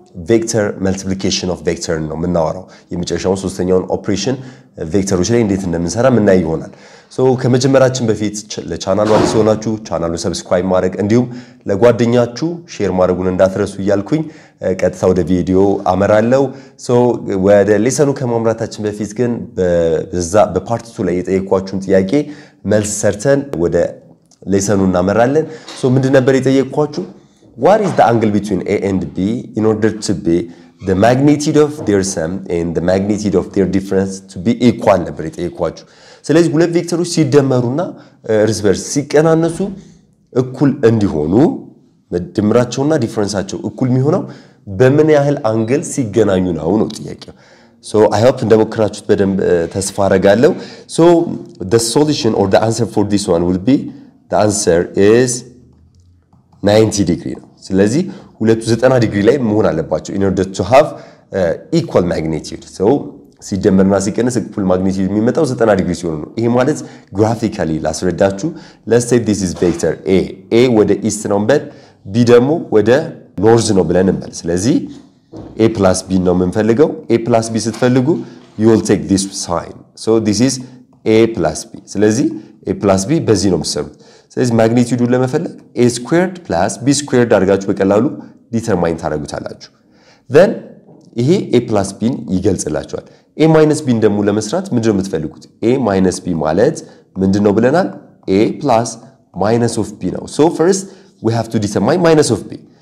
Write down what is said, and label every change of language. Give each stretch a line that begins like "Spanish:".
Amharic: ቬክተር መልቲፕሊኬሽን ኦፍ ቬክተር ነው የምናወራው። የመጨረሻውን ሶስተኛውን ኦፕሬሽን ቬክተሮች ላይ እንዴት እንደምንሰራ ምን አይሆናል። ሶ ከመጀመራችን በፊት ለቻናሉ አዲስ ሆናችሁ ቻናሉን ሰብስክራይብ ማድረግ እንዲሁም ለጓደኛችሁ ሼር ማድረጉን እንዳትረሱ ይያልኩኝ። ቀጥታ ወደ ቪዲዮ አመራለሁ። ሶ ወደ ሊሰኑ ከመምራታችን በፊት ግን በዛ በፓርት 2 ላይ የጠየኳችሁን ጥያቄ መልስ ሰርተን ወደ ሊሰኑ እናመራለን። ሶ ምንድን ነበር የጠየኳችሁ?
English: What is the angle between A and B in order to be the magnitude of their sum and the magnitude of their difference to be equal?
Amharic: ነበር የጠየኳችሁ። ስለዚህ ሁለት ቬክተሮች ሲደመሩና እርስ በርስ ሲቀናነሱ እኩል እንዲሆኑ ድምራቸውና ዲፈረንሳቸው እኩል የሚሆነው በምን ያህል አንግል ሲገናኙ ነው ጥያቄው።
English: So I hope
Amharic: እንደሞክራችሁት በደንብ ተስፋ አረጋለሁ።
English: So the solution or the answer for this one will be the answer is 90 degree
Amharic: ነው። ስለዚህ ሁለቱ 90 ዲግሪ ላይ መሆን አለባቸው
English: in order to have equal magnitude.
Amharic: So ሲደመርና ሲቀነስ እኩል ማግኒቲዩድ የሚመጣው 90 ዲግሪ ሲሆን ነው። ይሄ ማለት graphically ላስረዳችሁ
English: let's say this is vector A.
Amharic: A ወደ east ነው በል B ደግሞ ወደ north ነው ብለን እንበል። ስለዚህ A plus B ነው የምንፈልገው። A plus B ስትፈልጉ
English: you will take this sign. So this is A plus B.
Amharic: ስለዚህ A plus B በዚህ ነው የምትሰሩት። ስለዚህ ማግኒቲዩዱ ለመፈለግ
English: a squared plus b squared
Amharic: አድርጋችሁ በቀላሉ ዲተርማይን ታደርጉታላችሁ። then ይሄ a plus b ይገልጻላችኋል። a minus b ደግሞ ለመስራት ምንድነው የምትፈልጉት?
English: a minus b
Amharic: ማለት ምንድነው ብለናል?
English: a plus minus of b ነው። so first we have to determine minus of b.